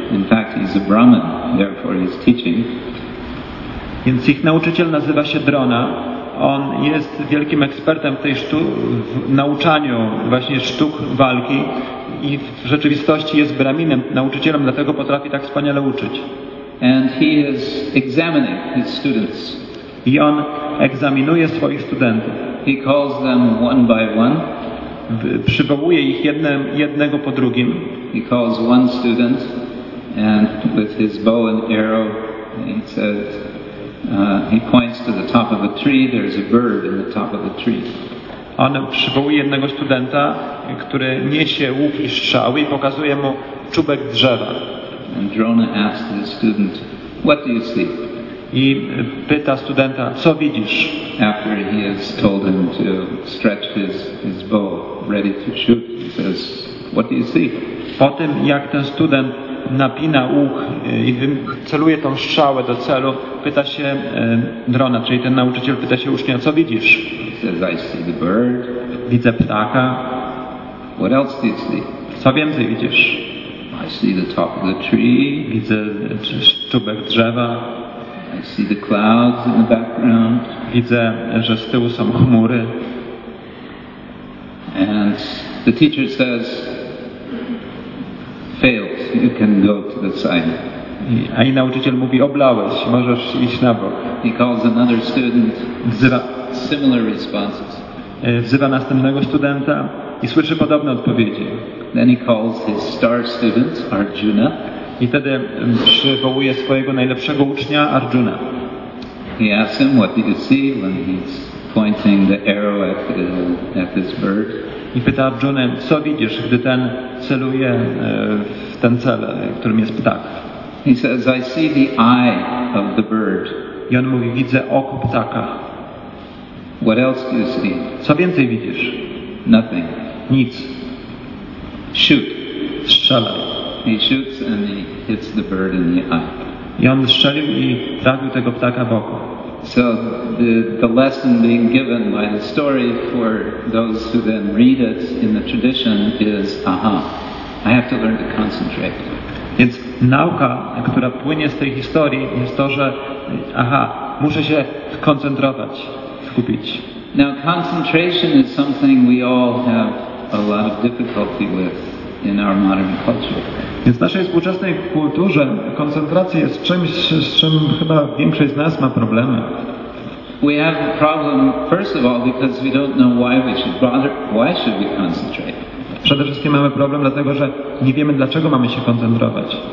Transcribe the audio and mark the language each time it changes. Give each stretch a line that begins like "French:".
English: In fact, he's a Brahmin, therefore he's teaching.
Polish: Więc ich nauczyciel nazywa się Drona. On jest wielkim ekspertem w tej w nauczaniu właśnie sztuk walki i w rzeczywistości jest Brahminem, nauczycielem, dlatego potrafi tak wspaniale uczyć.
English: And he is examining his students.
Polish: I on egzaminuje swoich studentów.
English: He calls them one by one.
Polish: Przywołuje ich jednego po drugim.
English: He calls one student and with his bow and arrow he says, he points to the top of a tree, there is a bird in the top of the tree.
Polish: On przywołuje jednego studenta, który niesie łuk i strzały i pokazuje mu czubek drzewa.
English: And Drona asks the student, what do you see?
Polish: I pyta studenta, co widzisz?
English: After he has told him to stretch his bow ready to shoot, he says, what do you see?
Polish: Po tym, jak ten student napina łuk i celuje tą strzałę do celu, pyta się Drona, czyli ten nauczyciel pyta się ucznia, co widzisz?
English: He says, I see the bird.
Polish: Widzę ptaka.
English: What else do you see?
Polish: Co więcej widzisz?
English: I see the top of the tree.
Polish: Widzę czubek drzewa.
English: I see the clouds in the background.
Polish: Widzę, że z tyłu są chmury.
English: And the teacher says, failed, you can go to the side.
Polish: A i nauczyciel mówi, oblałeś, możesz iść na bok.
English: He calls another student.
Polish: Wzywa
English: similar responses.
Polish: Wzywa następnego studenta i słyszy podobne odpowiedzi.
English: Then he calls his star student, Arjuna.
Polish: I wtedy przywołuje swojego najlepszego ucznia, Arjuna.
English: He asks him, what do you see when he's pointing the arrow at this bird?
Polish: I pyta Arjuna, co widzisz, gdy ten celuje w ten cel, którym jest ptak?
English: He says, I see the eye of the bird.
Polish: I on mówi, widzę oko ptaka.
English: What else do you see?
Polish: Co więcej widzisz?
English: Nothing.
Polish: Nic.
English: Shoot.
Polish: Strzelaj.
English: He shoots and he hits the bird in the eye.
Polish: I on strzelił i trafił tego ptaka w oko.
English: So the lesson being given by the story for those who then read it in the tradition is, aha, I have to learn to concentrate.
Polish: Więc nauka, która płynie z tej historii, jest to, że aha, muszę się skoncentrować, skupić.
English: Now concentration is something we all have a lot of difficulty with in our modern culture.
Polish: Więc w naszej współczesnej kulturze koncentracja jest czymś, z czym chyba większość z nas ma problemy.
English: We have a problem, first of all, because we don't know why we should bother, why should we concentrate.
Polish: Przede wszystkim mamy problem, dlatego że nie wiemy, dlaczego mamy się koncentrować.